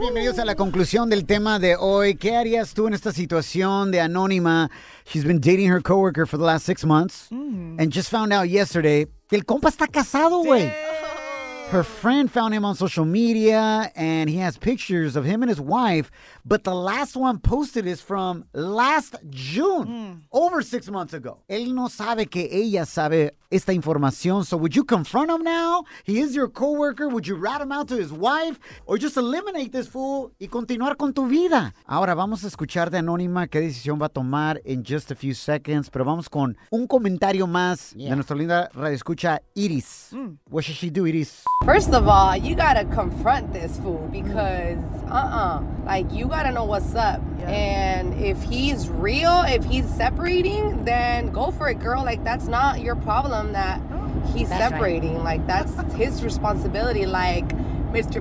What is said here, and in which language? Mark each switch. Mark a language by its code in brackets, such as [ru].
[es] Bienvenidos a la conclusión del tema de hoy. ¿Qué harías tú en esta situación de Anónima? [en] She's been dating her coworker for the last 6 months and just found out yesterday [es] que el compa está casado, güey. [en] Her friend found him on social media and he has pictures of him and his wife, but the last one posted is from last June, over 6 months ago. [es] Él no sabe que ella sabe esta información, [en] so would you confront him now? He is your coworker. Would you rat him out to his wife or just eliminate this fool [es] y continuar con tu vida? Ahora vamos a escuchar de Anónima qué decisión va a tomar [en] in just a few seconds, [es] pero vamos con un comentario más de nuestra linda radioescucha Iris. [en] What should she do, Iris? First of all, you gotta confront this fool because, like, you gotta know what's up. And if he's real, if he's separating, then go for it, girl. Like, that's not your problem that he's that's separating. Right. Like, that's his responsibility. Like, Mr.